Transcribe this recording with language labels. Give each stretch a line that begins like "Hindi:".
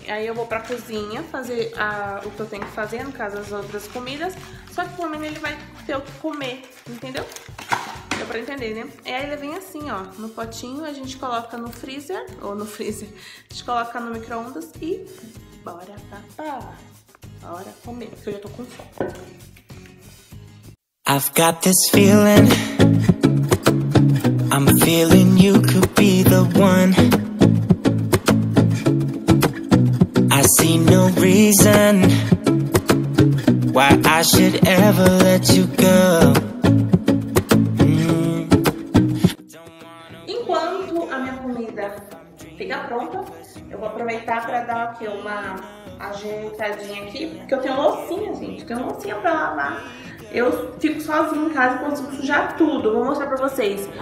Portuguese: Aí eu vou pra cozinha fazer o que eu tenho que fazer, no caso, as outras comidas. Só que pelo menos ele vai ter o que comer, entendeu? pra entender, né? E aí ele vem assim, ó, no potinho, a gente coloca no freezer, ou no freezer, a gente coloca no micro-ondas e bora papar. Bora comer, porque eu já tô com fome.
English: I've got this feeling, I'm feeling you could be the one. I see no reason why I should ever let you go.
Portuguese: Enquanto a minha comida fica pronta, eu vou aproveitar para dar aqui uma ajeitadinha aqui, porque eu tenho loucinha, gente, tenho loucinha para lavar. Eu fico sozinha em casa e consigo sujar tudo. Vou mostrar pra vocês.